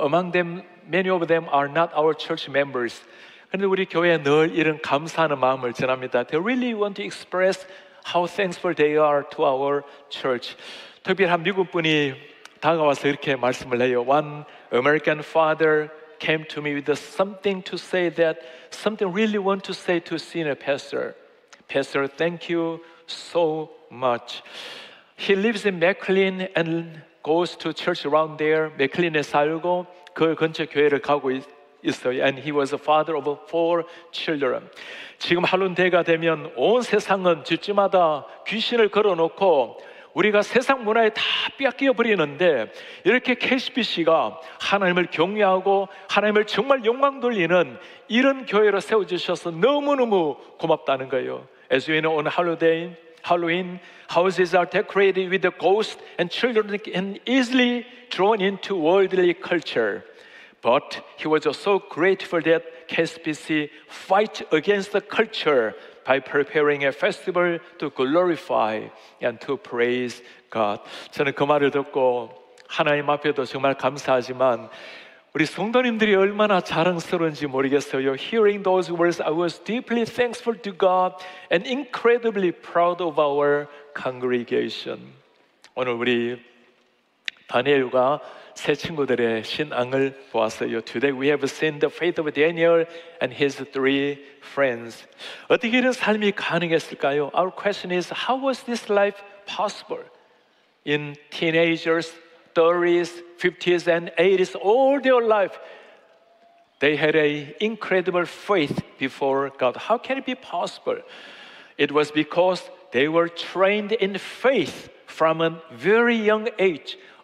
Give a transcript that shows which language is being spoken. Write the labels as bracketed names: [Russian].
[English] Among them, many of them are not our church members. [Korean] 그런데 우리 교회에 늘 이런 감사하는 마음을 전합니다. [English] They really want to express how thankful they are to our church. [Korean] 특별히 한 미국 분이 다가와서 이렇게 말씀을 해요. [English] One American father came to me with something to say that something really want to say to senior pastor. Pastor, thank you so much. He lives in McLean and goes to church around there. [Korean] McLean에 살고 그 근처 교회를 가고 있어요. [English] And he was a father of four children. [Korean] 지금 할로윈대가 되면 온 세상은 집집마다 귀신을 걸어놓고 우리가 세상 문화에 다 빼앗겨 버리는데 이렇게 KCBC가 하나님을 경외하고 하나님을 정말 영광 돌리는 이런 교회로 세워주셔서 너무너무 고맙다는 거예요. [English] As we know on Halloween, houses are decorated with the ghosts and children can easily drawn into worldly culture. But he was so grateful that KCBC fight against the culture by preparing a festival to glorify and to praise God. [Korean] 저는 그 말을 듣고 하나님 앞에도 정말 감사하지만 우리 성도님들이 얼마나 자랑스러운지 모르겠어요. [English] Hearing those words, I was deeply thankful to God and incredibly proud of our congregation. [Korean] 오늘 우리 다니엘과 세 친구들의 신앙을 보았어요. [English] Today we have seen the faith of Daniel and his three friends. [Korean] 어떻게 이런 삶이 가능했을까요? [English] Our question is, how was this life possible? In teenagers, 30s, 50s, and 80s, all their life, they had an incredible faith before God. How can it be possible? It was because they were trained in faith from a very young age.